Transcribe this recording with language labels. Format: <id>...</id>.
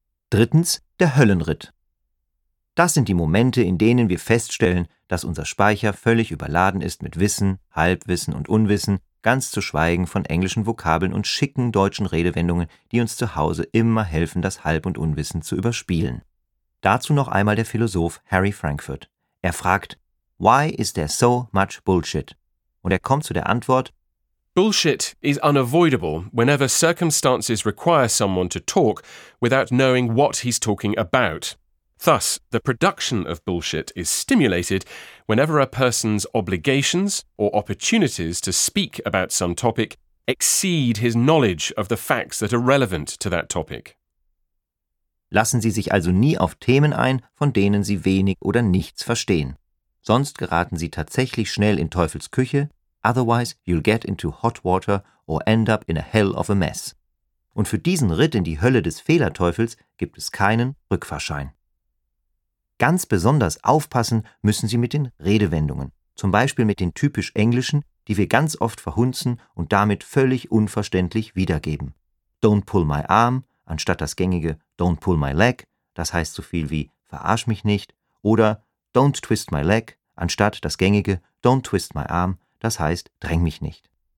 <de>Drittens, der Höllenritt. Das sind die Momente, in denen wir feststellen, dass unser Speicher völlig überladen ist mit Wissen, Halbwissen und Unwissen, ganz zu schweigen von englischen Vokabeln und schicken deutschen Redewendungen, die uns zu Hause immer helfen, das Halb- und Unwissen zu überspielen. Dazu noch einmal der Philosoph Harry Frankfurt. Er fragt,</de> <en>why is there so much bullshit?</en> <de>Und er kommt zu der Antwort,</de> <en>bullshit is unavoidable whenever circumstances require someone to talk without knowing what he's talking about. Thus, the production of bullshit is stimulated whenever a person's obligations or opportunities to speak about some topic exceed his knowledge of the facts that are relevant to that topic.</en> <de>Lassen Sie sich also nie auf Themen ein, von denen Sie wenig oder nichts verstehen. Sonst geraten Sie tatsächlich schnell in Teufels Küche.</de> <en>Otherwise you'll get into hot water or end up in a hell of a mess.</en> <de>Und für diesen Ritt in die Hölle des Fehlerteufels gibt es keinen Rückfahrschein. Ganz besonders aufpassen müssen Sie mit den Redewendungen, zum Beispiel mit den typisch englischen, die wir ganz oft verhunzen und damit völlig unverständlich wiedergeben.</de> <en>Don't pull my arm,</en> <de>anstatt das gängige</de> <en>don't pull my leg,</en> <de>das heißt so viel wie verarsch mich nicht, oder</de> <en>don't twist my leg,</en> <de>anstatt das gängige</de> <en>don't twist my arm,</en> <de>das heißt, dräng mich nicht.</de>